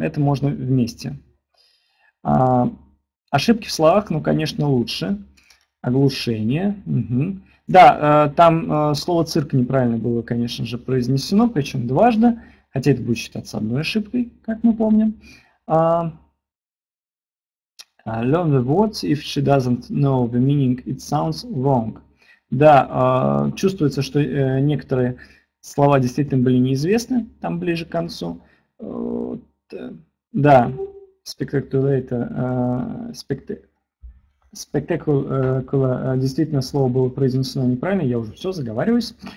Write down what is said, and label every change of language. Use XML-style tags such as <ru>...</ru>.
<ru>Это можно вместе. Ошибки в словах, ну, конечно, лучше. Оглушение. Угу. Да, там слово цирк неправильно было, конечно же, произнесено, причем дважды, хотя это будет считаться одной ошибкой, как мы помним.</ru> <en>Learn the words if she doesn't know the meaning, it sounds wrong.</en> <ru>Да, чувствуется, что некоторые слова действительно были неизвестны, там ближе к концу. Да, Spectacular, действительно, слово было произнесено неправильно, я уже все заговариваюсь.</ru>